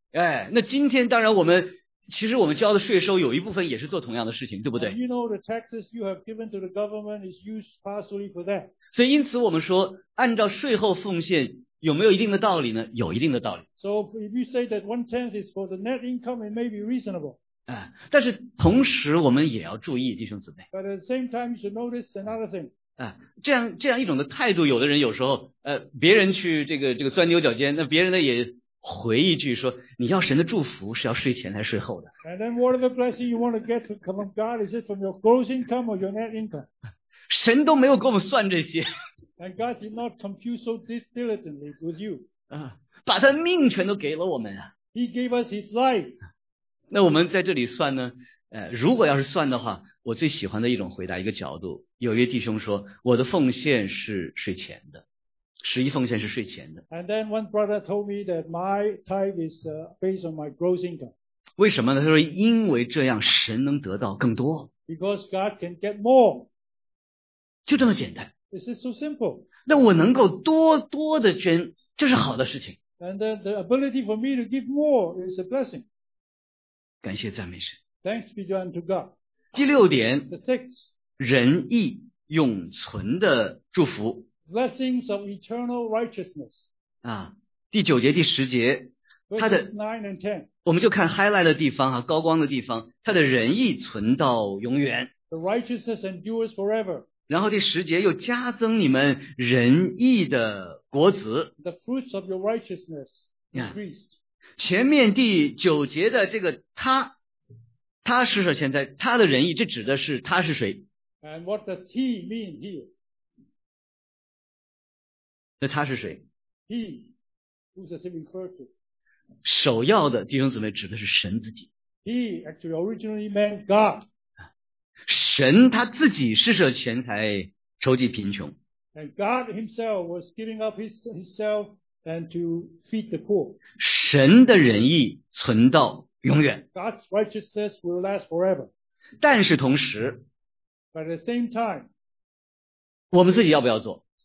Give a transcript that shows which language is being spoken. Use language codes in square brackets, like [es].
[zh] 哎，那今天当然我们其实我们交的税收有一部分也是做同样的事情，对不对？ [en] And you know the taxes you have given to the government is used partially for that. [zh] 所以因此我们说，按照税后奉献有没有一定的道理呢？有一定的道理。 [en] So if you say that one tenth is for the net income, it may be reasonable. [zh] 哎，但是同时我们也要注意，弟兄姊妹。 [en] But at the same time, you should notice another thing. [zh] 哎，这样一种的态度，有的人有时候，别人去这个钻牛角尖，那别人呢也。回一句说，你要神的祝福是要税前还是税后的？ [en] And then whatever blessing you want to get from God, is it from your gross income or your net income? [zh] 神都没有给我们算这些。 [en] And God did not compute so diligently with you. [zh] 把他命全都给了我们啊。 [en] He gave us his life. [zh] 那我们在这里算呢？如果要是算的话，我最喜欢的一种回答，一个角度，有一位弟兄说，我的奉献是税前的。十一奉献是税前的。 [en] And then one brother told me that my tithe is based on my gross income. [zh] 为什么呢？他说因为这样神能得到更多。 [en] Because God can get more. [zh] 就这么简单。 [en] This is so simple. [zh] 那我能够多多的捐，这是好的事情。 [en] And then the ability for me to give more is a blessing. [zh] 感谢赞美神。 [en] Thanks be unto God. [zh] 第六点。 [en] The sixth. [zh] 仁义永存的祝福。 [en] Blessings of eternal righteousness. [zh] 啊，第九节第十节，他的 [en] nine and ten， [zh] 我们就看 highlight 的地方哈、啊，高光的地方，他的仁义存到永远。 [en] The righteousness endures forever. [zh] 然后第十节又加增你们仁义的果子。 [en] The fruits of your righteousness increased.、 [zh] 啊、前面第九节的这个他是说现在他的仁义，这指的是他是谁 [en] ？And what does he mean here? [zh] 那他是谁 [en] ？He who does he refer to？ [zh] 首要的弟兄姊妹指的是神自己。 [en] He actually originally meant God。 [zh] 神他自己施舍钱财，筹集贫穷。 [en] And God himself was giving up himself and to feed the poor。 [zh] 神的仁义存到永远。 [en] God's righteousness will last forever。 [zh] 但是同时 [en] ，But at the same time， [zh] 我们自己要不要做？